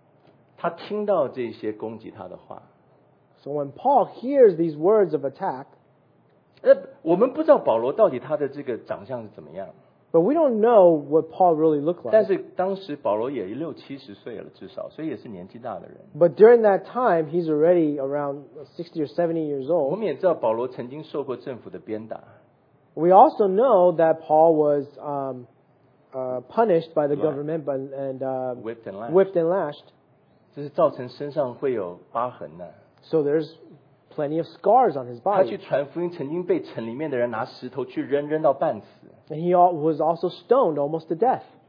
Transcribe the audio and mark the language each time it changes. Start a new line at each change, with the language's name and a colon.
Chinese: 你知道保罗，他听到这些攻击他的话。
English: So when Paul hears these words of attack,
Chinese: 我们不知道保罗到底他的这个长相是怎么样。
English: But we don't know what Paul really looked like.
Chinese: 但是当时保罗也六七十岁了，至少，所以也是年纪大的人。
English: But during that time, he's already around 60 or 70 years old.
Chinese: 我们也知道保罗曾经受过政府的鞭打。
English: We also know that Paul was punished by the government and whipped and lashed.
Chinese: 这是造成身上会有疤痕的。
English: So there's plenty of scars on his body.
Chinese: 他去传福音，曾经被城里面的人拿石头去扔到半死。
English: And he was also stoned almost to death.